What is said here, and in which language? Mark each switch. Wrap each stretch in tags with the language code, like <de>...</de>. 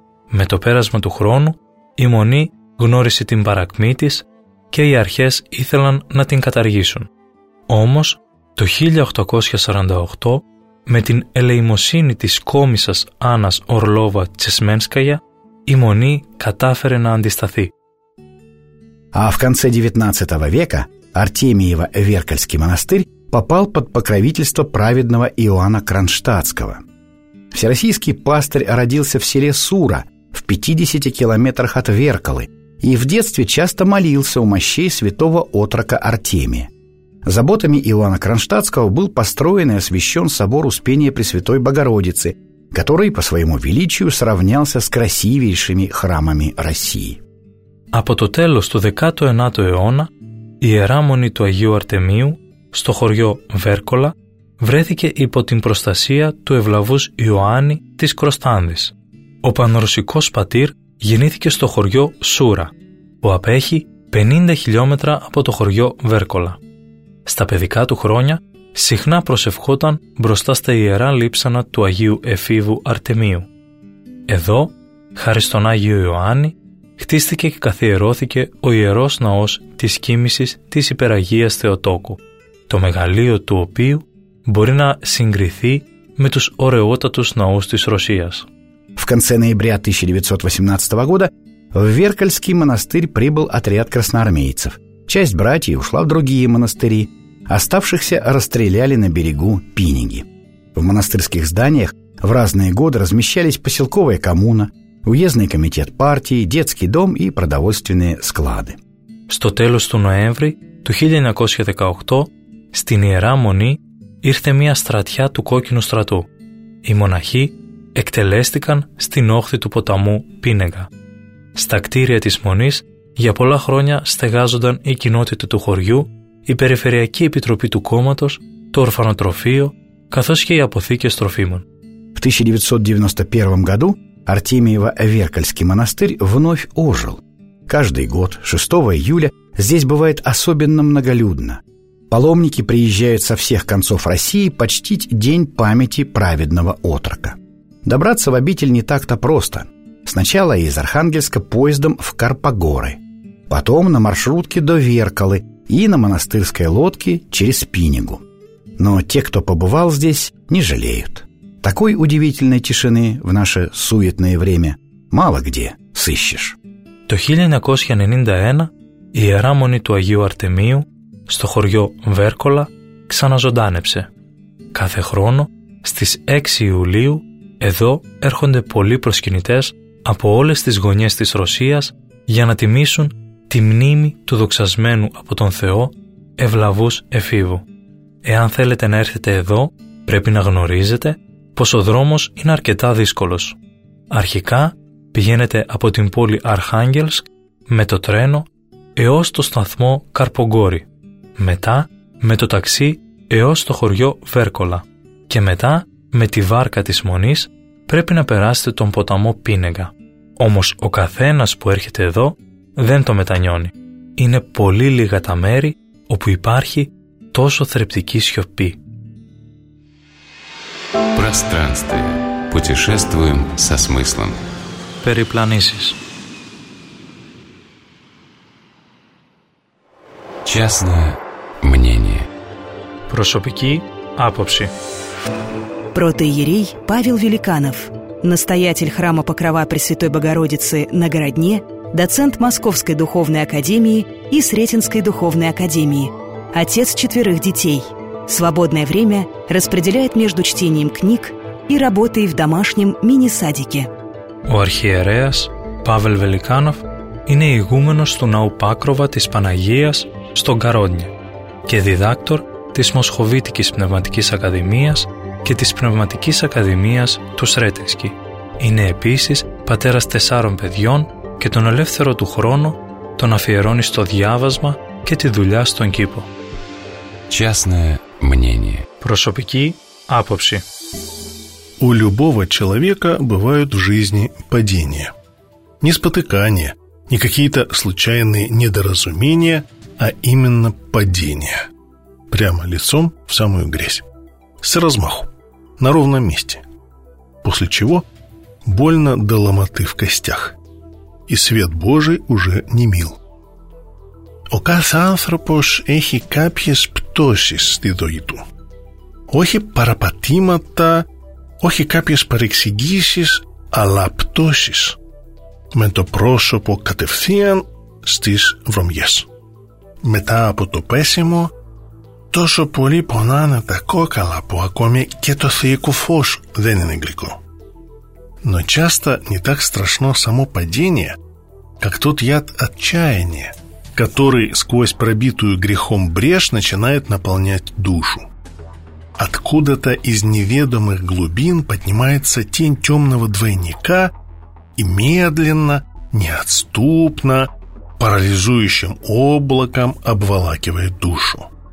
<el>Με το πέρασμα του χρόνου, η Μονή γνώρισε την παρακμή της και οι αρχές ήθελαν να την καταργήσουν. Όμως, το 1848, με την ελεημοσύνη της κόμισσας Άννας Ορλόβα Τσεσμένσκαγια, η Μονή κατάφερε να αντισταθεί.</el> <ru>А в конце XIX века Артемиево-Веркальский монастырь попал под покровительство праведного Иоанна Кронштадтского. Всероссийский пастырь родился в селе Сура, в 50 километрах от Веркалы, и в детстве часто молился у мощей святого отрока Артемия. Заботами Иоанна Кронштадтского был построен и освящен собор Успения Пресвятой Богородицы, который по своему величию сравнялся с красивейшими храмами России.</ru> <el>Από το τέλος του 19ου αιώνα, η Ιερά Μονή του Αγίου Αρτεμίου, στο χωριό Βέρκολα, βρέθηκε υπό την προστασία του ευλαβούς Ιωάννη της Κροστάνδης. Ο πανρωσικός πατήρ γεννήθηκε στο χωριό Σούρα, που απέχει 50 χιλιόμετρα από το χωριό Βέρκολα. Στα παιδικά του χρόνια, συχνά προσευχόταν μπροστά στα Ιερά Λείψανα του Αγίου Εφήβου Αρτεμίου. Εδώ, χάρη στον Άγιο Ιωάννη, χτίστηκε και καθιερώθηκε ο ιερός ναός της κοίμησης της Υπεραγίας Θεοτόκου, το μεγαλείο του οποίου μπορεί να συγκριθεί με τους ωραιότατους ναούς της Ρωσίας.</el> <ru>В конце ноября 1918 года в Веркальский монастырь прибыл отряд красноармейцев. Часть братьев ушла в другие монастыри. Оставшихся расстреляли на берегу Пиниги. В монастырских зданиях в разные годы размещались поселковая коммуна, уездный комитет партии, детский дом и продовольственные склады.</ru> <el>Στο τέλος του Νοέμβρη του 1918 στην Ιερά Μονή ήρθε μια στρατιά του Κόκκινου Στρατού. Οι μοναχοί εκτελέστηκαν στην όχθη του ποταμού Πίνεγα. Στα κτίρια της Μονής για πολλά χρόνια στεγάζονταν η κοινότητα του χωριού, η Περιφερειακή Επιτροπή του Κόμματος, το Ορφανοτροφείο, καθώς και οι αποθήκες τροφίμων.</el> <ru>В 1991 году Артемиево-Веркальский монастырь вновь ожил. Каждый год, 6 июля, здесь бывает особенно многолюдно. Паломники приезжают со всех концов России почтить День памяти праведного отрока. Добраться в обитель не так-то просто. Сначала из Архангельска поездом в Карпогоры, потом на маршрутке до Веркалы и на монастырской лодке через Пинигу. Но те, кто побывал здесь, не жалеют. Такой удивительной тишины в наше суетное время мало где сыщешь.</ru> <el>Το 1991 η Ιερά Μονή του Αγίου Αρτεμίου στο χωριό Βέρκολα ξαναζωντάνεψε. Κάθε χρόνο στις 6 Ιουλίου εδώ έρχονται πολλοί προσκυνητές από όλες τις γωνιές της Ρωσίας για να τιμήσουν τη μνήμη του δοξασμένου από τον Θεό Ευλαβούς Εφήβου. Εάν θέλετε να έρθετε εδώ, πρέπει να γνωρίζετε πως ο δρόμος είναι αρκετά δύσκολος. Αρχικά πηγαίνετε από την πόλη Αρχάγγελσκ με το τρένο έως το σταθμό Καρπογκόρι, μετά με το ταξί έως το χωριό Βέρκολα και μετά με τη βάρκα της Μονής πρέπει να περάσετε τον ποταμό Πίνεγα. Όμως ο καθένας που έρχεται εδώ δεν το μετανιώνει. Είναι πολύ λίγα τα μέρη όπου υπάρχει τόσο θρεπτική σιωπή.</el> <ru>Пространстве. Путешествуем со смыслом.</ru> <el>Перепланисис.</el> <ru>Частное мнение.</ru> <el>Прошопики апопси.</el> <ru>Протоиерей Павел Великанов, настоятель храма Покрова Пресвятой Богородицы на Городне, доцент Московской Духовной Академии и Сретенской Духовной Академии, отец четверых детей. Свободное время распределяет между чтением книг и работой в домашнем мини-садике.</ru> <el>У архиереас Павел Великанов είναι игуменος του Ναού Πάκροβα της Παναγίας στο Γκαρόντνια και διδάκτορ της Μοσχοβίτικης Πνευματικής Ακαδημίας και της Πνευματικής Ακαδημίας του Σρέτενσκι. Είναι επίσης πατέρας τεσσάρων παιδιών και τον ελεύθερο του χρόνο τον αφιερώνει στο διάβασμα και τη δουλειά στον κήπο.</el> <ru>Частное мнение.</ru> <el>Прошопики апопси.</el> <ru>У любого человека бывают в жизни падения. Не спотыкания, не какие-то случайные недоразумения, а именно падения. Прямо лицом в самую грязь. С размаху. На ровном месте. После чего больно до ломоты в костях. И свет Божий уже не мил.</ru> <el>Ο κάθε άνθρωπος έχει κάποιες πτώσεις στη ζωή του. Όχι παραπατήματα, όχι κάποιες παρεξηγήσεις, αλλά πτώσεις. Με το πρόσωπο κατευθείαν στις βρωμιές. Μετά από το πέσιμο, τόσο πολύ πονάνε τα κόκαλα που ακόμη και το θεϊκό φως δεν είναι γλυκό.</el> <ru>Но часто не так страшно само падение, как тот яд отчаяния, который сквозь пробитую грехом брешь начинает наполнять душу. Откуда-то из неведомых глубин поднимается тень темного двойника и медленно, неотступно, парализующим облаком обволакивает душу.</ru>